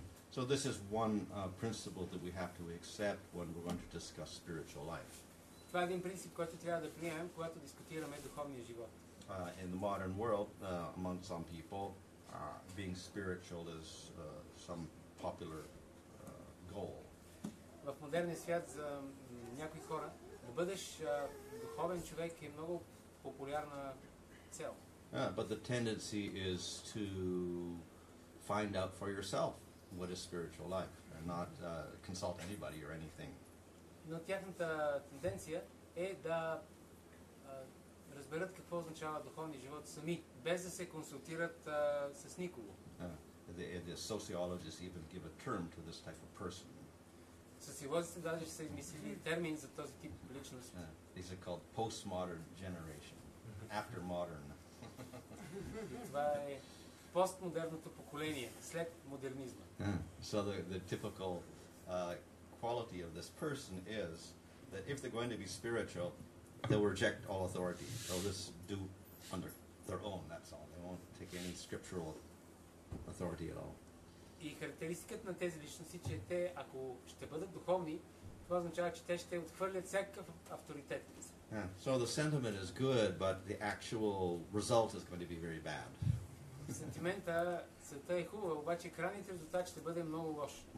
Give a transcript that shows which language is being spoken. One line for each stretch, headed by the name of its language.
English: So this is one principle that we have to accept when we're going to discuss spiritual life.
Bulgarian: Това е един принцип, който трябва да приемем, когато дискутираме духовния живот.
English: In the modern world, among some people, being spiritual is some popular goal.
Bulgarian: В модерния свят за някои хора да бъдеш духовен човек е много популярна цел.
English: But the tendency is to find out for yourself what is spiritual life and not consult anybody or anything.
Bulgarian: Но тяхната тенденция е да разберат какво означава духовния живот сами, без да се консултират с никого.
English: The sociologists even give a term to this type of person.
Bulgarian: Социологите даже са измислили термин за този тип личност.
English: These are called postmodern generation, after modern.
Bulgarian: Това е постмодерното поколение, след модернизма.
English: So the typical quality of this person is that if they're going to be spiritual, they'll reject all authority. They'll just do under their own, that's all. They won't take any scriptural authority at all.
Bulgarian: и характеристиката на тези личности, че те, ако ще бъдат духовни, това означава, че те ще отхвърлят всякакъв авторитет.
English: Yeah. So the sentiment is good, but the actual result is going to be very bad.
Bulgarian: Сентимента, целта е хубава, обаче крайният резултат ще бъде много лош.